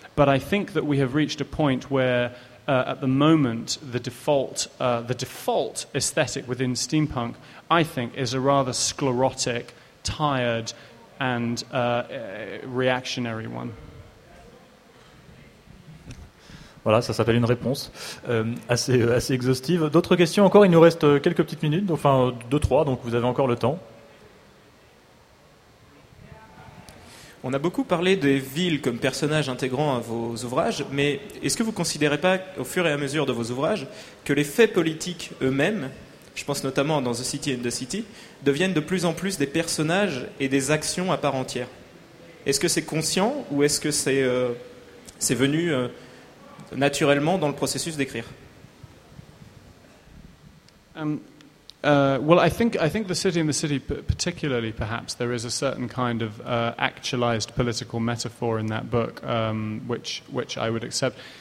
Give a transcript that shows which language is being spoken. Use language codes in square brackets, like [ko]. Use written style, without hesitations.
[en] But I think that we have reached a point where, at the moment, the default aesthetic within steampunk, I think, is a rather sclerotic, tired, and reactionary one. [fr] Voilà, ça s'appelle une réponse assez exhaustive. D'autres questions encore? Il nous reste quelques petites minutes, enfin deux, trois, donc vous avez encore le temps. On a beaucoup parlé des villes comme personnages intégrants à vos ouvrages, mais est-ce que vous ne considérez pas, au fur et à mesure de vos ouvrages, que les faits politiques eux-mêmes, je pense notamment dans The City and the City, deviennent de plus en plus des personnages et des actions à part entière? Est-ce que c'est conscient ou est-ce que c'est venu naturellement dans le processus d'écrire? [en] Well, I think The City and the City, particularly perhaps, there is a certain kind of actualized political metaphor in that book, which I would accept.